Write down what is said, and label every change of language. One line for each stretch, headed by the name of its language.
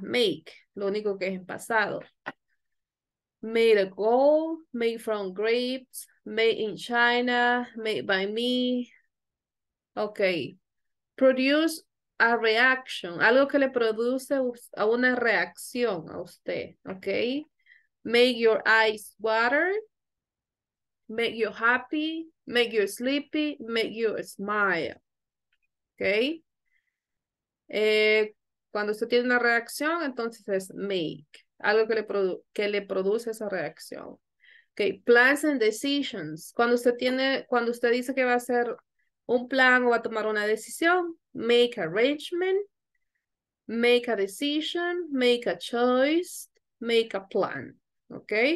English: Make,
Spanish: lo único que es en pasado.
English: Made a goal, made from grapes, made in China, made by me. Ok. Produce a reaction,
Spanish: algo que le produce a una reacción a usted, ¿ok?
English: Make your eyes water. Make you happy, make you sleepy, make you smile.
Spanish: ¿Ok? Cuando usted tiene una reacción, entonces es make. Algo que le produce esa reacción. ¿Ok?
English: Plans and decisions.
Spanish: Cuando usted dice que va a hacer un plan o va a tomar una decisión,
English: make arrangement, make a decision, make a choice, make a plan.
Spanish: ¿Ok?